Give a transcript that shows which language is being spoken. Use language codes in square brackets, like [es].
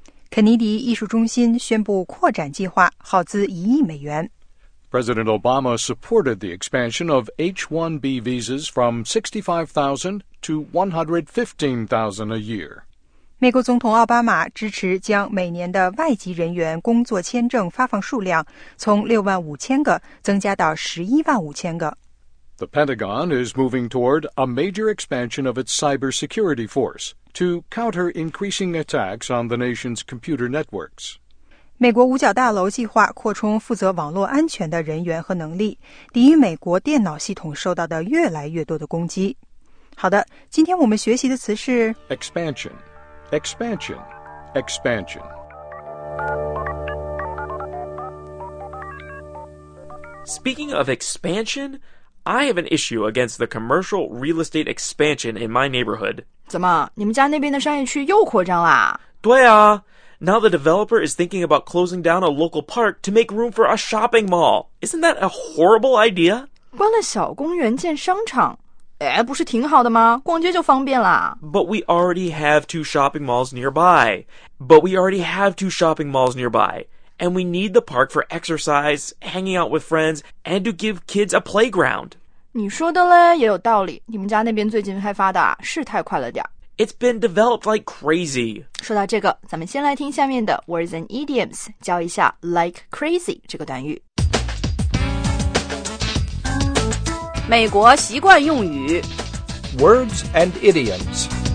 [zh] 肯尼迪艺术中心宣布扩展计划，耗资一亿美元。 [en] President Obama supported the expansion of H-1B visas from 65,000 to 115,000 a year. [zh] 美国总统奥巴马支持将每年的外籍人员工作签证发放数量从65,000个增加到115,000个。 [en] The Pentagon is moving toward a major expansion of its cybersecurity force to counter increasing attacks on the nation's computer networks. [zh] 美国五角大楼计划扩充负责网络安全的人员和能力，抵御美国电脑系统受到的越来越多的攻击。好的，今天我们学习的词是 [en] expansion, expansion, expansion. Speaking of expansion,I have an issue against the commercial real estate expansion in my neighborhood. [zh] 怎么，你们家那边的商业区又扩张啦？对啊。 [en] Now the developer is thinking about closing down a local park to make room for a shopping mall. Isn't that a horrible idea? [zh] 关了小公园建商场，哎，不是挺好的吗？逛街就方便啦。 [en] But we already have two shopping malls nearby. But we already have two shopping malls nearby. And we need the park for exercise, hanging out with friends, and to give kids a playground. [zh] 你说的嘞也有道理，你们家那边最近开发的是太快了点。 [en] It's been developed like crazy. [zh] 说到这个，咱们先来听下面的 words and idioms, 教一下 like crazy 这个短语。美国习惯用语 [en] Words and idioms.